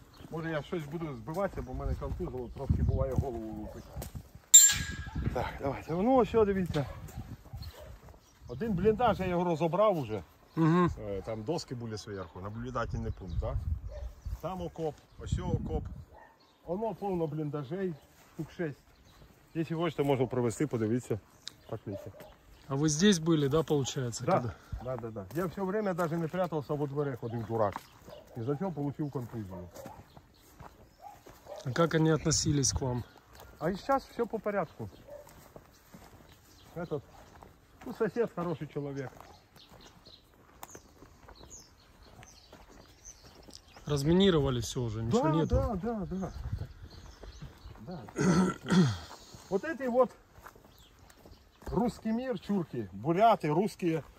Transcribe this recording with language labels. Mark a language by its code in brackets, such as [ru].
[uk] Може я щось буду збивати, бо в мене контузило, трошки буває голову лупить. Так, давайте. Ну ось, дивіться. Один бліндаж, я його розібрав вже. Угу. Там доски були зверху, наблюдательний пункт, так? Да? Там окоп, ось окоп. Воно повно бліндажей, тут 6. Якщо хочете, можу провести, подивіться. Подивіться. А ви здесь були, так, да, получается? Так, да. [ru] Я все время даже не прятался во дворах, один дурак. [uk] І за чого получив контузію. А як вони [ru] относились к вам? [uk] А і зараз все по порядку. [ru] Этот, ну, сосед хороший чоловік. Разминировали все уже, ничего нету. Да. Да. Вот эти вот русский мир, чурки, буряты, русские.